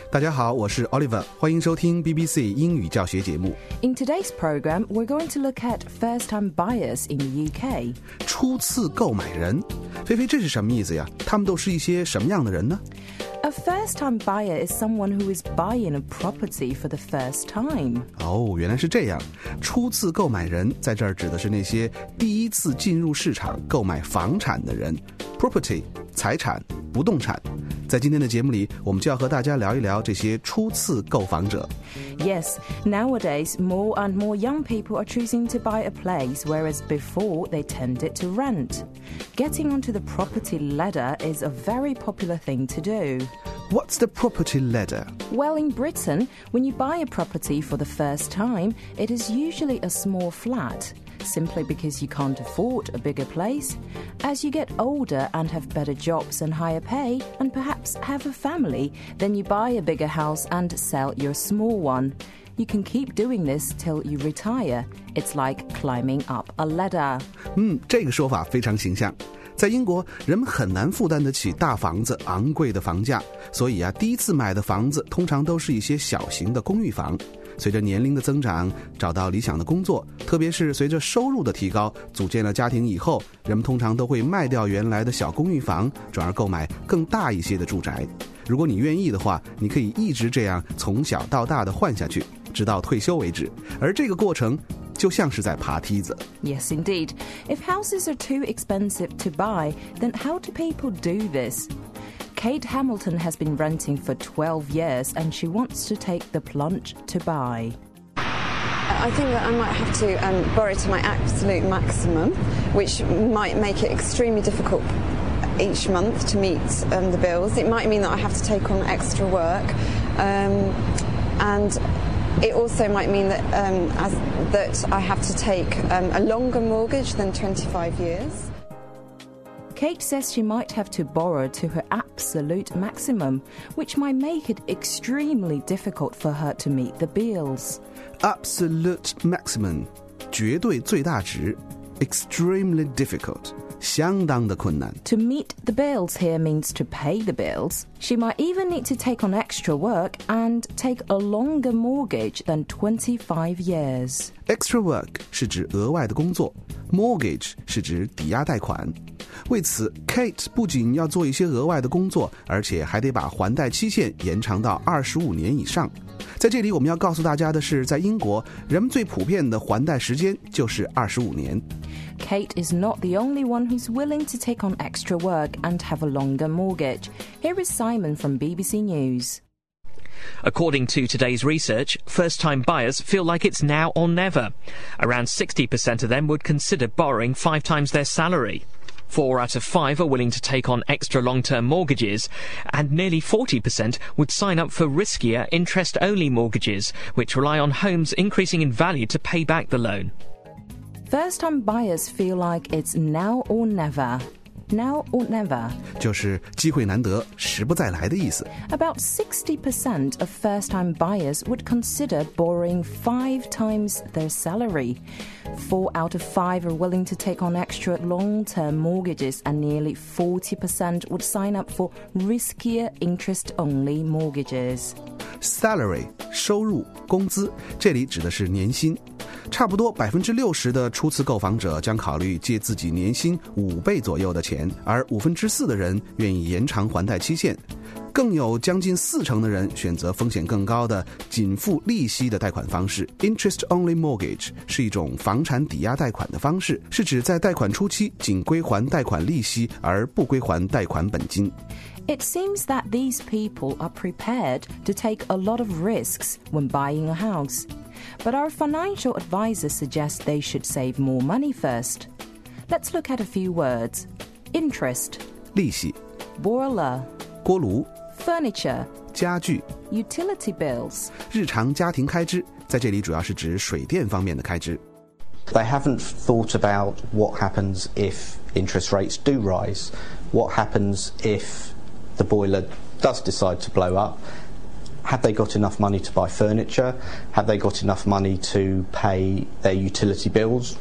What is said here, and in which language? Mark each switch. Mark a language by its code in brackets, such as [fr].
[zh] 大家好，我是 Oliver. 欢迎收听 BBC 英语教学节目。 [en] In today's program, we're going to look at first-time buyers in the UK. [zh] 初次购买人，Feifei，这是什么意思呀？他们都是一些什么样的人呢？ [en] A first-time buyer is someone who is buying a property for the first time. [zh] 哦，原来是这样。初次购买人在这儿指的是那些第一次进入市场购买房产的人。 Property, 财产、不动产。在今天的节目里，我们就要和大家聊一聊这些初次购房者。 [en] Yes, nowadays, more and more young people are choosing to buy a place, whereas before, they tended to rent. Getting onto the property ladder is a very popular thing to do. What's the property ladder? Well, in Britain, when you buy a property for the first time, it is usually a small flat, simply because you can't afford a bigger place. As you get older and have better jobs and higher pay, and perhaps have a family, then you buy a bigger house and sell your small one. You can keep doing this till you retire. It's like climbing up a ladder. [zh] 这个说法非常形象。在英国，人们很难负担得起大房子、昂贵的房价，所以啊，第一次买的房子通常都是一些小型的公寓房。随着年龄的增长，找到理想的工作，特别是随着收入的提高，组建了家庭以后，人们通常都会卖掉原来的小公寓房，转而购买更大一些的住宅。如果你愿意的话，你可以一直这样从小到大的换下去，直到退休为止。而这个过程就像是在爬梯子。 [en] Yes, indeed. If houses are too expensive to buy, then how do people do this? Kate Hamilton has been renting for 12 years and she wants to take the plunge to buy. I think that I might have to borrow to my absolute maximum, which might make it extremely difficult each month to meet the bills. It might mean that I have to take on extra work and... It also might mean that, that I have to take a longer mortgage than 25 years. Kate says she might have to borrow to her absolute maximum, which might make it extremely difficult for her to meet the bills. Absolute maximum, [zh] 绝对最大值 [en] extremely difficult. [zh] 相当的困难。 [en] To meet the bills here means to pay the bills. She might even need to take on extra work and take a longer mortgage than 25 years. [zh] Extra work 是指额外的工作 ，mortgage 是指抵押贷款。为此 ，Kate 不仅要做一些额外的工作，而且还得把还贷期限延长到25年以上。在这里，我们要告诉大家的是，在英国，人们最普遍的还贷时间就是25年。 [en] Kate is not the only one who's willing to take on extra work and have a longer mortgage. Here is Simon from BBC News. According to today's research, first-time buyers feel like it's now or never. Around 60% of them would consider borrowing 5 times their salary. 4 out of 5 are willing to take on extra long-term mortgages, and nearly 40% would sign up for riskier interest-only mortgages, which rely on homes increasing in value to pay back the loan. First-time buyers feel like it's now or never. Now or never. [zh] 就是机会难得，时不再来的意思。 [en] About 60% of first-time buyers would consider borrowing 5 times their salary. 4 out of 5 are willing to take on extra long-term mortgages, and nearly 40% would sign up for riskier interest-only mortgages. [zh] Salary, 收入、工资，这里指的是年薪。差不多60%的初次购房者将考虑借自己年薪5倍左右的钱，而4%的人愿意延长还贷期限，更有将近40%的人选择风险更高的仅付利息的贷款方式。 Interest-only mortgage 是一种房产抵押贷款的方式，是指在贷款初期仅归还贷款利息而不归还贷款本金。 [en] It seems that these people are prepared to take a lot of risks when buying a house. But our financial advisor suggests they should save more money first. Let's look at a few words. Interest. [zh] 利息 [en] Boiler. [zh] 锅炉 [en] Furniture. [zh] 家具 [en] Utility bills. [zh] 日常家庭开支，在这里主要是指水电方面的开支。 [en] They haven't thought about what happens if interest rates do rise. What happens if...the boiler does decide to blow up, have they got enough money to buy furniture? Have they got enough money to pay their utility bills?